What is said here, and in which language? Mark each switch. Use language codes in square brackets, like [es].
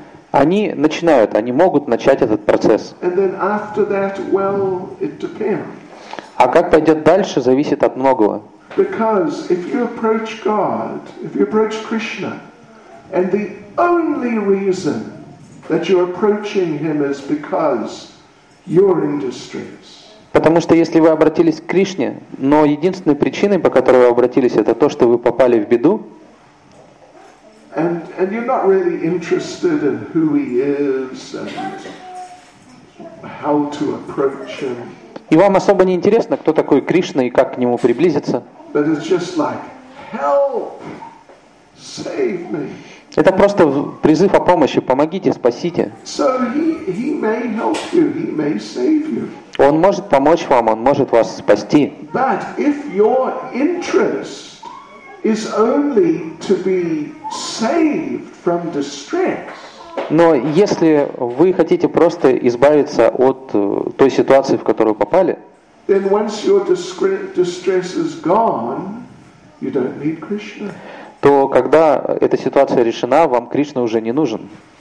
[ru] Они начинают, они могут начать этот процесс. [en] And then after that, well, it depends. [ru] А как пойдет дальше, зависит от многого. [en] Because if you approach God, if you approach Krishna, and the only reason that you're approaching him is because you're in distress. [ru] Потому что если вы обратились к Кришне, но единственной причиной, по которой вы обратились, это то, что вы попали в беду. [en] And you're not really interested in who he is and how to approach him. [ru] И вам особо не интересно, кто такой Кришна и как к нему приблизиться. [en] But it's just like, help, save me. [ru] Это просто призыв о помощи. Помогите, спасите. [en] So he may help you, he may save you. [ru] Он может помочь вам, он может вас спасти. [en] But if your interest is only to be saved from distress. [ru] Но если вы хотите просто избавиться от той ситуации, в которую попали, то когда эта ситуация решена, вам Кришна уже не нужен.